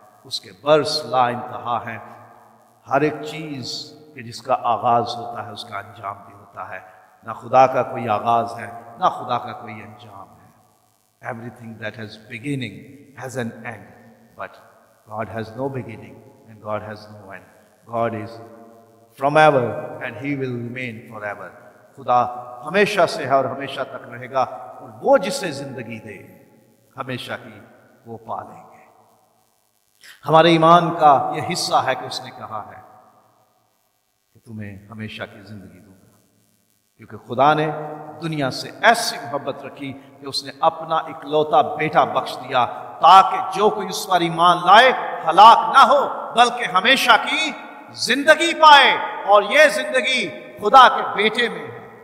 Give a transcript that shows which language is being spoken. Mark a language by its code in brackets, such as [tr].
[ur] اس کے برس لا انتہا ہیں. ہر ایک چیز کہ جس کا آغاز ہوتا ہے اس کا انجام بھی ہوتا ہے. نہ خدا کا کوئی آغاز ہے, نہ خدا کا کوئی انجام ہے. [en] Every thing that has beginning has an end, but God has no beginning and God has no end. God is from ever and He will remain forever. [ur] خدا ہمیشہ سے ہے اور ہمیشہ تک رہے گا, اور وہ جسے زندگی دے ہمیشہ کی وہ پا لیں گے. ہمارے ایمان کا یہ حصہ ہے کہ اس نے کہا ہے کہ تمہیں ہمیشہ کی زندگی دوں گا, کیونکہ خدا نے دنیا سے ایسی محبت رکھی کہ اس نے اپنا اکلوتا بیٹا بخش دیا تاکہ جو کوئی اس پر ایمان لائے ہلاک نہ ہو بلکہ ہمیشہ کی زندگی پائے, اور یہ زندگی خدا کے بیٹے میں ہے.